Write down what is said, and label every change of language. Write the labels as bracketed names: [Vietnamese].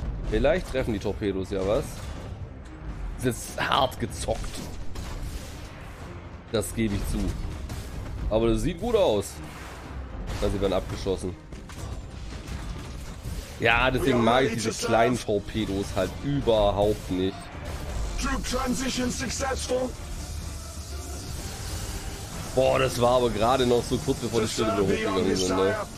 [German] Vielleicht treffen die Torpedos ja was. Das ist hart gezockt. Das gebe ich zu. Aber das sieht gut aus. Weil sie werden abgeschossen. Ja, deswegen mag ich diese kleinen Torpedos halt überhaupt nicht. [English] Troop Transition successful. [German] Boah, das war aber gerade noch so kurz, bevor die Stille wieder hochgegangen sind, ne?